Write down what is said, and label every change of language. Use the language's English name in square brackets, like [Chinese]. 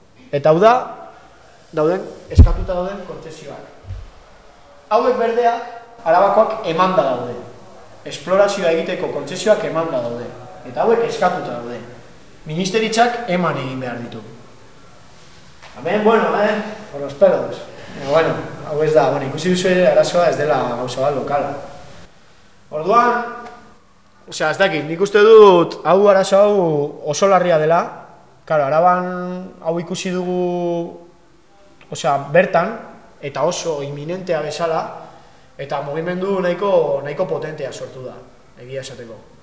[Basque] Eta hau da, dauden, eskatuta dauden kontzesioak. Hauek berdea, Arabakoak emanda daude. Esplorazioa egiteko kontzesioak emanda daude. Eta hauek eskatuta daude. Ministeritzak eman egin behar ditu. [Spanish] Amen, bueno, por los pelos. [Basque] Bueno, hau ez da, bueno, ikusi duzu ere arazoa ez dela gauza bat lokala. Orduan, osea, ez dakit, nik uste dut, hau arazo hau oso larria dela. Claro, Araban hau ikusi dugu, osea, bertan, eta oso inminentea bezala, eta mugimendu nahiko potentea sortu da, egia esateko.